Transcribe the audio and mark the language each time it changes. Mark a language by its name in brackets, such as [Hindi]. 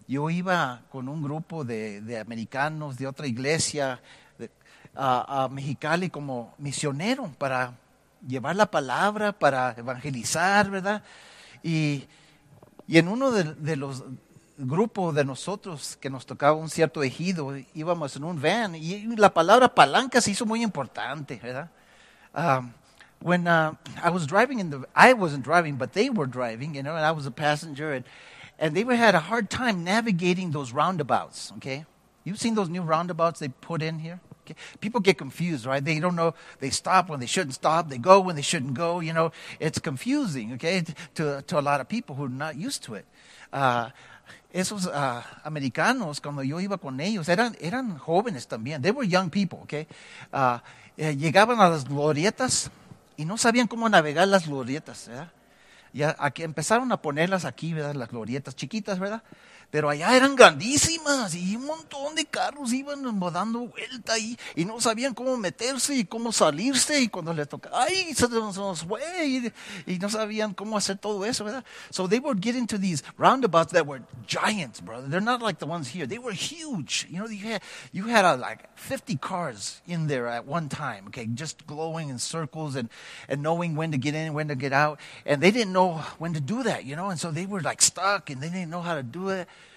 [Spanish] Yo iba con un grupo de americanos de otra iglesia a Mexicali como misionero para llevar la palabra, para evangelizar, ¿verdad? Y en uno de los grupo de nosotros que nos tocaba un cierto ejido, íbamos en un van y la palabra palanca se hizo muy importante, ¿verdad? [English] I wasn't driving, but they were driving, you know, and I was a passenger, and they had a hard time navigating those roundabouts, okay? You've seen those new roundabouts they put in here? Okay? People get confused, right? They don't know, they stop when they shouldn't stop, they go when they shouldn't go, you know, it's confusing, okay, to a lot of people who are not used to it. [Spanish] Esos americanos, cuando yo iba con ellos, eran jóvenes también. [English] They were young people, okay? [Spanish] Llegaban a las glorietas y no sabían cómo navegar las glorietas, ¿verdad? Y aquí empezaron a ponerlas aquí, ¿verdad? Las glorietas chiquitas, ¿verdad? Pero allá eran grandísimas y un montón de carros iban dando vuelta ahí y no sabían cómo meterse y cómo salirse. Y cuando les tocaba, ¡ay! Se nos fue y no sabían cómo hacer todo eso, ¿verdad? [English] So they would get into these roundabouts that were giants, brother. They're not like the ones here. They were huge. You know, you had 50 cars in there at one time, okay? Just glowing in circles and knowing when to get in, when to get out. And they didn't know when to do that, you know? And so they were like stuck and they didn't know how to do it.